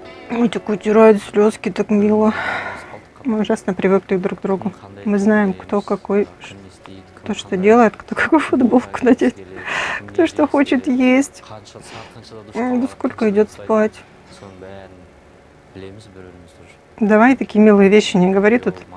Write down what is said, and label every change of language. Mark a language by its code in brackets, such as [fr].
[ru] Ой, так утирают слезки, так мило. Мы ужасно привыкли друг к другу. Мы знаем, кто какой, кто что делает, кто какую футболку надеть, кто что хочет есть, сколько идет спать. [kk] соның бәрін білеміз бір-бірімізді. [ru] Давай такие милые вещи не говори тут.